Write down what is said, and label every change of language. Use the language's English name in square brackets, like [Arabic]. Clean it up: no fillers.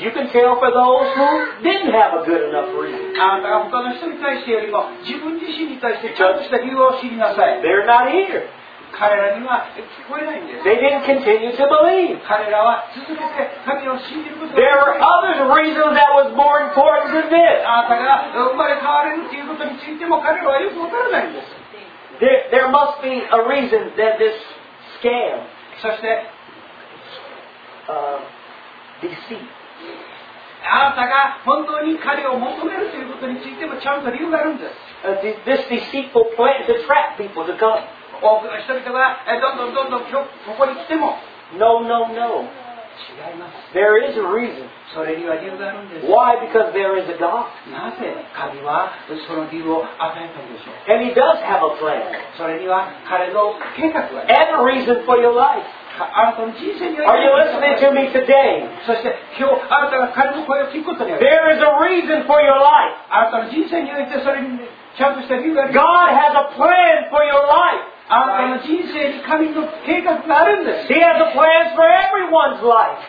[English] You can tell for those who didn't have a good enough reason. [Japanese] あなたが他の人に対してよりも自分自身に対してちゃんとした理由を知りなさい。 [English] They're not here. [Japanese] 彼らには聞こえないんです。 [English] They didn't continue to believe. [Japanese] 彼らは続けて神を信じることができない。 [English] There were other reasons that was more important than this. [Japanese] あなたが生まれ変われるということについても彼らはよくわからないんです。 [English] There must be a reason that this scam, [Japanese] そして、 [English] deceit. [Japanese] あなたが本当に彼を求めるということについてもちゃんと理由があるんです。 [English] This deceitful plan to trap people to come. [Japanese] 多くの人々がどんどんどんどんここに来ても。 [English] No, no, no. [Japanese] 違います。 [English] There is a reason. [Japanese] それには理由があるんです。 [English] Why? Because there is a God. [Japanese] なぜ神はその理由を与えたんでしょう。 [English] And he does have a plan. [Japanese] それには彼の計画がある。 [English] And a reason for your life. Are you listening to me today? There is a reason for your life. God has a plan for your life. He has a plan for everyone's life.